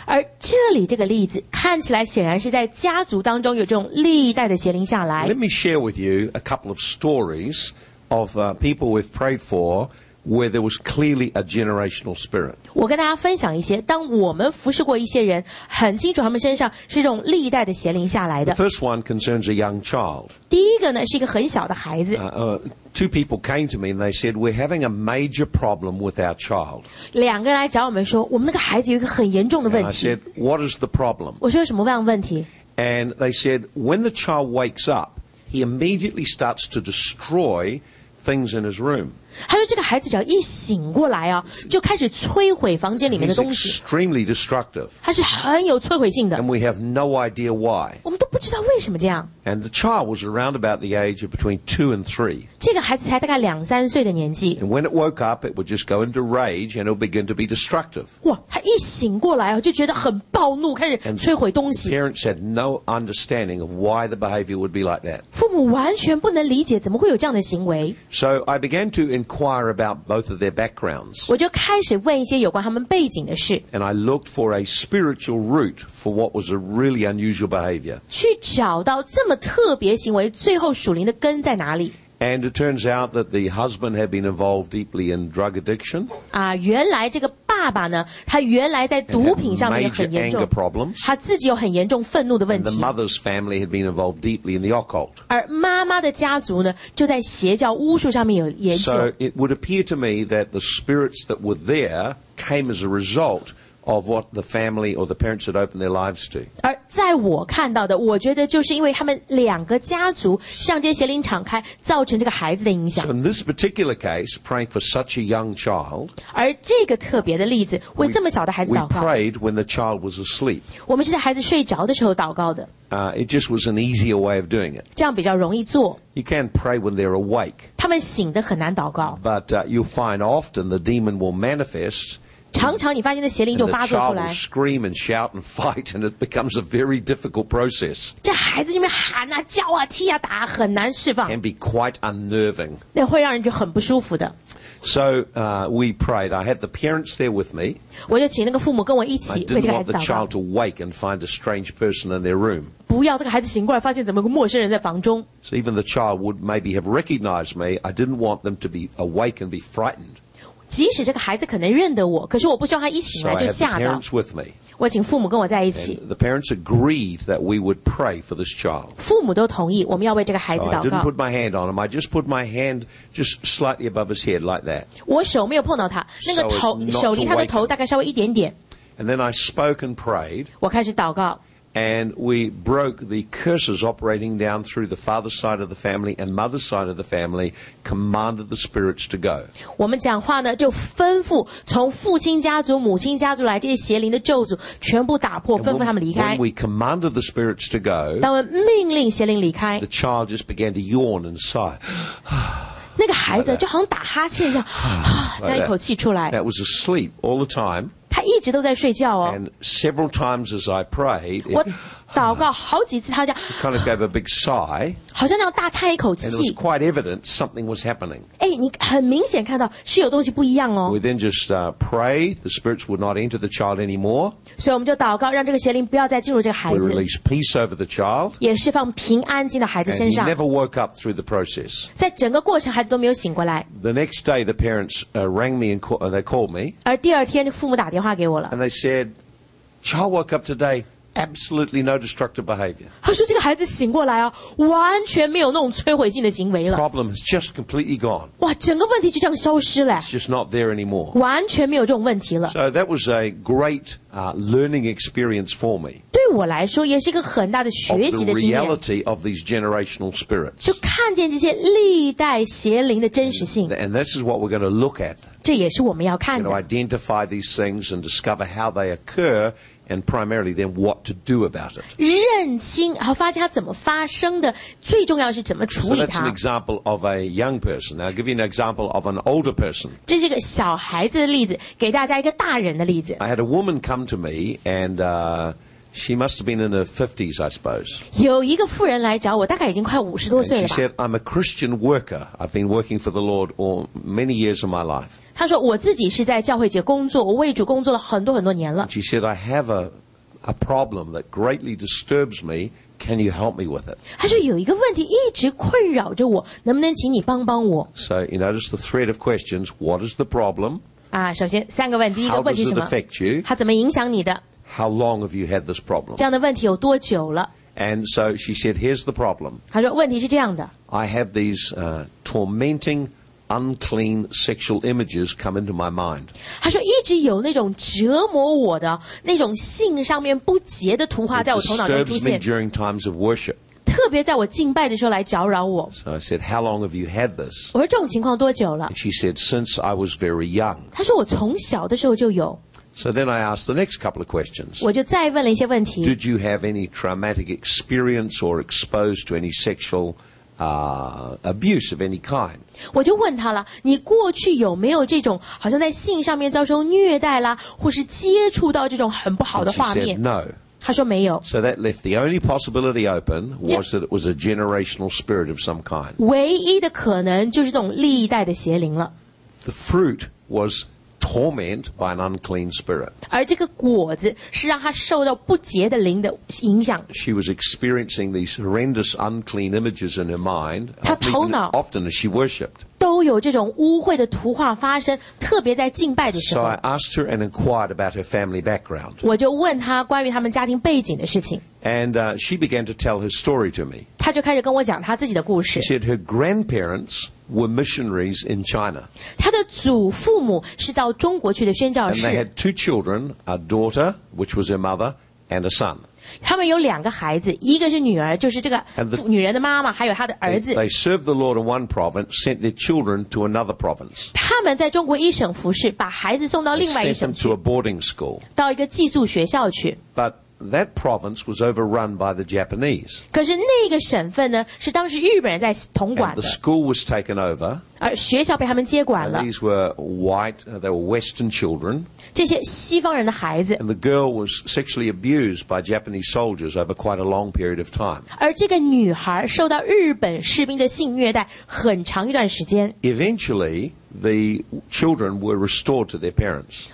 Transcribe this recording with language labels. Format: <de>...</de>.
<zh>而这里这个例子看起来显然是在家族当中有这种历代的邪灵下来。</zh> <en>Let me share with you a couple of stories. Of people we've prayed for, where there was clearly a generational spirit.</en> <zh>我跟大家分享一些，当我们服侍过一些人，很清楚他们身上是这种历代的邪灵下来的。</zh> <en>The first one concerns a young child.</en> <zh>第一个呢，是一个很小的孩子。</zh> <en>Two people came to me and they said, we're having a major problem with our child.</en> <zh>两个人来找我们说，我们那个孩子有一个很严重的问题。</zh> <en>And I said, what is the problem?</en> <zh>我说有什么问题？</zh> <en>And they said, when the child wakes up,He immediately starts to destroy things in his room.</en> <zh>他说这个孩子只要一醒过来啊，就开始摧毁房间里面的东西。</zh> <en>He's extremely destructive.</en> <zh>他是很有摧毁性的。</zh> <en>And we have no idea why.</en> <zh>我们都不知道为什么这样。</zh> <en>And the child was around about the age of between 2 and 3.</en> <zh>这个孩子才大概两三岁的年纪。</zh> <en>And when it woke up, it would just go into rage and it would begin to be destructive.</en> <zh>哇，他一醒过来啊，就觉得很暴怒，开始摧毁东西。</zh> <en>And parents had no understanding of why the behavior would be like that.</en> <zh>父母完全不能理解怎么会有这样的行为。</zh> <en>So I began to inquire about both of their backgrounds.</en> <zh>我就开始问一些有关他们背景的事。</zh> <en>And I looked for a spiritual root for what was a really unusual behavior.</en> <zh>去找到这么特别行为最后属灵的根在哪里。</zh> <en>And it turns out that the husband had been involved deeply in drug addiction.</en> <zh>啊，原来这个爸爸呢，他原来在毒品上面很严重。</zh> <en>Major anger problems.</en> <zh>他自己有很严重愤怒的问题。</zh> <en>And the mother's family had been involved deeply in the occult. 而妈妈的家族呢，就在邪教巫术上面有研究。 So it would appear to me that the spirits that were there came as a result. Of what the family or the parents had opened their lives to.</en> <zh>而在我看到的，我觉得就是因为他们两个家族向这些邪灵敞开，造成这个孩子的影响。</zh> <en>So in this particular case, praying for such a young child.</en> <zh>而这个特别的例子，为这么小的孩子祷告。</zh> <en>We prayed when the child was asleep.</en> <zh>我们是在孩子睡着的时候祷告的。</zh> <en>It just was an easier way of doing it.</en> <zh>这样比较容易做。</zh> <en>You can pray when they're awake.</en> <zh>他们醒得很难祷告。</zh> <en>But you'll find often the demon will manifest.</en> <zh>常常你发现的邪灵就发作出来。</zh> <en>Scream and shout and fight, and it becomes a very difficult process.</en> <zh>这孩子里面喊啊、叫啊、踢啊、打啊，很难释放。</zh> <en>Can be quite unnerving.</en> <zh>那会让人就很不舒服的。</zh> <en>So we prayed. I had the parents there with me.</en> <zh>我就请那个父母跟我一起为这个孩子祷告。</zh> <en>I didn't want the child to wake and find a strange person in their room.</en> <zh>不要这个孩子醒过来发现怎么有个陌生人在房中。</zh> <en>So even the child would maybe have recognized me. I didn't want them to be awake and be frightened.</en> <zh>即使这个孩子可能认得我，可是我不希望他一醒来就吓到。</zh> <en>So、me,</en> <zh>我请父母跟我在一起。</zh> <en>The parents agreed that we would pray for this child.</en> <zh>父母都同意，我们要为这个孩子祷告。</zh> <en>So、I didn't put my hand on him. I just put my hand just slightly above his head like that.</en> <zh>我手没有碰到他，那个头、</zh> <en>so、</en> <zh>手离他的头大概稍微一点点。</zh> <en>And then I spoke and prayed.</en> <zh>我开始祷告。</zh> <en>And we broke the curses operating down through the father's side of the family and mother's side of the family, commanded the spirits to go.</en> <zh>我们讲话呢，就吩咐从父亲家族、母亲家族来这些邪灵的咒诅全部打破，吩咐他们离开。</zh> <en>When we commanded the spirits to go,</en> <zh>当我们命令邪灵离开</zh> <en>，the child just began to yawn and sigh.</en> <zh>那个孩子就好像打哈欠一样，这样一口气出来。</zh> <en>That was asleep all the time.</en> <zh>他一直都在睡觉哦。</zh> <en>And several times as I prayed,</en> <zh>我祷告好几次，他这样</zh> <en>kind of gave a big sigh,</en> <zh>好像那样大叹一口气。</zh> <en>And it was quite evident something was happening.</en> <zh>哎，你很明显看到是有东西不一样哦。</zh> <en>We then just prayed the spirits would not enter the child anymore.</en> <zh>所以我们就祷告，让这个邪灵不要再进入这个孩子。</zh> <en>We released peace over the child.</en> <zh>也释放平安进到孩子身上。</zh> <en>And he never woke up through the process.</en> <zh>在整个过程，孩子都没有醒过来。</zh> <en>The next day, the parents rang me and they called me.</en> <zh>而第二天，父母打电话。</zh> <en>And they said, child woke up today, absolutely no destructive behavior.</en> <zh>他说这个孩子醒过来啊，完全没有那种摧毁性的行为了。</zh> <en>Problem is just completely gone.</en> <zh>哇，整个问题就这样消失了。</zh> <en>It's just not there anymore.</en> <zh>完全没有这种问题了。</zh> <en>So that was a great learning experience for me.</en> <zh>对我来说也是一个很大的学习的经验。</zh> <en>Of the reality of these generational spirits.</en> <zh>就看见这些历代邪灵的真实性。</zh> <en>And this is what we're going to look at.</en> <zh>这也是我们要看的。</zh> <en>You know, identify these things and discover how they occur, and primarily then what to do about it.</en> <zh>认清，然后发现它怎么发生的，最重要是怎么处理它。</zh> <en>So that's an example of a young person. Now, I'll give you an example of an older person.</en> <zh>这是一个小孩子的例子，给大家一个大人的例子。</zh> <en>I had a woman come to me, and she must have been in her 50s, I suppose.</en> <zh>有一个妇人来找我，大概已经快五十多岁了吧。</zh> <en>And she said, I'm a Christian worker. I've been working for the Lord for many years of my life.</en> <zh>他说我自己是在教会界工作，我为主工作了很多很多年了。</zh> <en>She said, I have a problem that greatly disturbs me. Can you help me with it?</en> <zh>他说有一个问题一直困扰着我，能不能请你帮帮我？</zh> <en>So you notice the thread of questions. What is the problem?</en> <zh>啊，首先三个问题，第一个问题是什么？</zh> <en>How does it affect you?</en> <zh>它怎么影响你的？</zh> <en>How long have you had this problem?</en> <zh>这样的问题有多久了？</zh> <en>And so she said, here's the problem.</en> <zh>他说问题是这样的。</zh> <en>I have these tormenting,unclean sexual images come into my mind.</en> <zh>他说一直有那种折磨我的那种性上面不洁的图画在我头脑中出现。</zh> <en>It disturbs me during times of worship.</en> <zh>特别在我敬拜的时候来搅扰我。</zh> <en>So I said, how long have you had this?</en> <zh>我说这种情况多久了？</zh> <en>And she said, since I was very young.</en> <zh>他说我从小的时候就有。</zh> <en>So then I asked the next couple of questions.</en> <zh>我就再问了一些问题。</zh> <en>Did you have any traumatic experience or exposed to any sexual abuse of any kind?</en> <zh>我就问他了，你过去有没有这种好像在性上面遭受虐待啦，或是接触到这种很不好的画面？</zh> <en>And she said no.</en> <zh>他说没有。</zh> <en>So that left the only possibility open was that it was a generational spirit of some kind.</en> <zh>唯一的可能就是这种历代的邪灵了。</zh> <en>The fruit was torment by an unclean spirit.</en> <zh>而这个果子是让他受到不洁的灵的影响。</zh> <en>She was experiencing these horrendous unclean images in her mind.</en> <zh>他头脑</zh> <en>often as she worshipped.</en> <zh>都有这种污秽的图画发生，特别在敬拜的时候。</zh> <en>So I asked her and inquired about her family background.</en> <zh>我就问他关于他们家庭背景的事情。</zh> <en>And she began to tell her story to me.</en> <zh>他就开始跟我讲他自己的故事。</zh> <en>She said her grandparents were missionaries in China.</en> <zh>他的祖父母是到中国去的宣教士。</zh> <en>And they had two children, a daughter, which was her mother, and a son.</en> <zh>他们有两个孩子，一个是女儿，就是这个女人的妈妈，还有她的儿子。</zh> <en>They served the Lord in one province, sent their children to another province.</en> <zh>他们在中国一省服侍，把孩子送到另外一省去。</zh> <en>They sent them to a boarding school.</en> <zh>到一个寄宿学校去。</zh> <en>But that province was overrun by the Japanese.</en> <zh>可是那个省份呢，是当时日本人在统管的。</zh> <en>And the school was taken over.</en> <zh>而学校被他们接管了。</zh> <en>And these were white, they were Western children.</en> <zh>这些西方人的孩子。</zh> <en>And the girl was sexually abused by Japanese soldiers over quite a long period of time.</en> <zh>而这个女孩受到日本士兵的性虐待很长一段时间。</zh> <en>Eventually,the children were restored to their parents.</en>